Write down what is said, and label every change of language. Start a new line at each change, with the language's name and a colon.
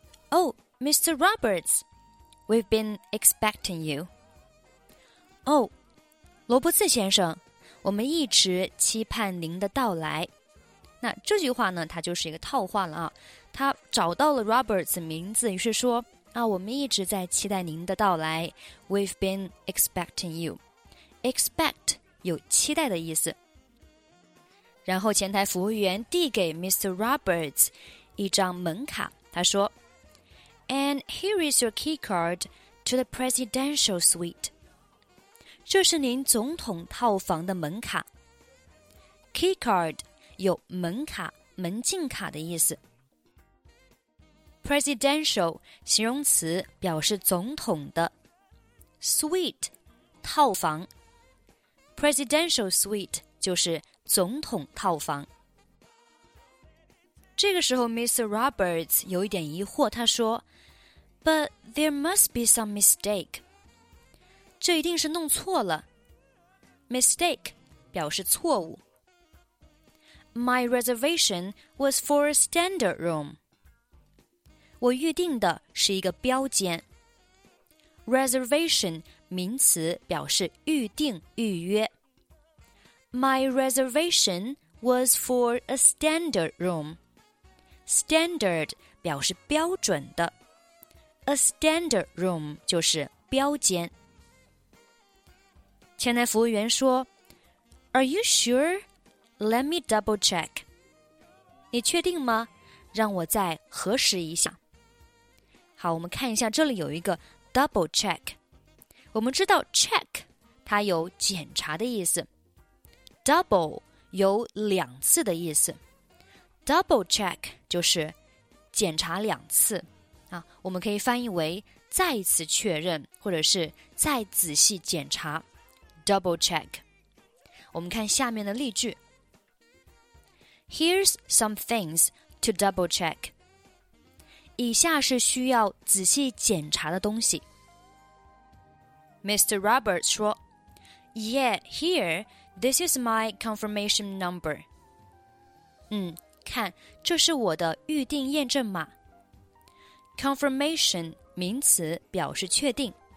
English: Oh, Mr. Roberts, we've been expecting you.
Chinese: Oh, 罗伯茨先生。我们一直期盼您的到来。那这句话呢，它就是一个套话了啊。他找到了 Roberts 名字，于是说啊，我们一直在期待您的到来。
English: We've been expecting you.
Chinese: Expect 有期待的意思。然后前台服务员递给 Mr.
English: Roberts
Chinese: 一张门卡，他说
English: ，And here is your key card to the presidential suite.
Chinese: 这是您总统套房的门卡。Key card 有门卡、门禁卡的意思。 Presidential 形容词表示总统的。 Suite 套房。Presidential suite 就是总统套房。这个时候 Mr. Roberts 有一点疑惑，他说
English: But there must be some mistake.
Chinese: 这一定是弄错了。Mistake, 表示错误。
English: My reservation was for a standard room.
Chinese: 我预定的是一个标间。 Reservation, 名词表示预定、预约。
English: My reservation was for a standard room.
Chinese: Standard 表示标准的。
English: A standard room
Chinese: 就是标间。前台服务员说
English: Are you sure? Let me double check.
Chinese: 你确定吗？让我再核实一下。好，我们看一下这里有一个 double check。我们知道 check 它有检查的意思。 Double 有两次的意思。Double check 就是检查两次。啊，我们可以翻译为再一次确认或者是再仔细检查。
English: Double check.
Chinese: 我们看下面的例句。
English: Here's some things to double check.
Chinese: 以下是需要仔细检查的东西。
English: Mr. Roberts
Chinese: 说
English: Yeah, here, this is my confirmation number.
Chinese: 看，这是我的预订验证码。Confirmation, 名词表示确定。